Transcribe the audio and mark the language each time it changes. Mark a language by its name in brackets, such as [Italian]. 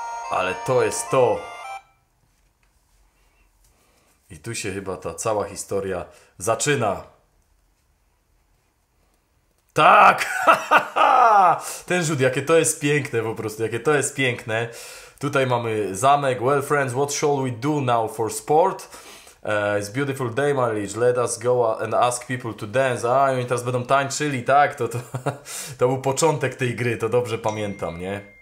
[Polish] Ale to jest to. I tu się chyba ta cała historia zaczyna. Tak! Ten rzut, jakie to jest piękne po prostu, jakie to jest piękne. Tutaj mamy zamek. [English] Well friends, what shall we do now for sport? It's beautiful day, my liege. Let us go and ask people to dance. [Polish] A, oni teraz będą tańczyli, tak? To był początek tej gry, to dobrze pamiętam, nie?